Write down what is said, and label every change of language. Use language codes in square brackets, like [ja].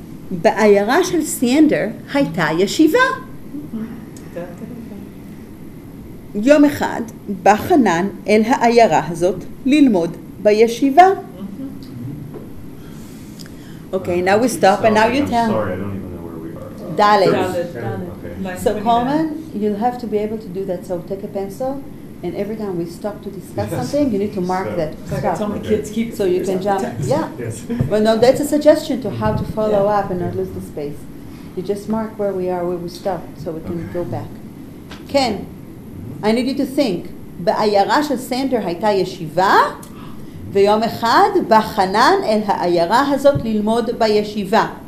[he] בעיירה של סיאנדר הייתה ישיבה. יום אחד בא חנן אל העיירה הזאת ללמוד בישיבה. [en] אוקיי, now we stop and now you tell. I'm sorry, I don't even know where we are. Dalet. So Coleman, you'll have to be able to do that, so take a pencil. And every time we stop to discuss something, you need to mark that. Like stop. I tell the kids, keep so you can jump. Yeah. Yes. Well, no, that's a suggestion to how to follow up and not lose the space. You just mark where we are, where we stop, so we can go back. Ken, I need you to think. [he] בעיירה של סנדר הייתה ישיבה, ויום אחד בא חנן אל העיירה הזאת ללמוד בישיבה.